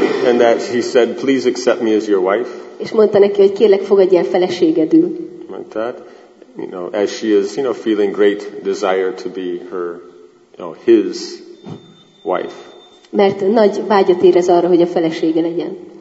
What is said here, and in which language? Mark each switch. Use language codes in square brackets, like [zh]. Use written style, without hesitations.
[en] And that she said, please accept me as your wife. [hu] És mondta neki, hogy kérlek, fogadj el feleségedül. [en] Like that. You know, as she is, you know, feeling great desire to be her, you know, his wife. [hu] Mert nagy vágyat érez arra, hogy a felesége legyen.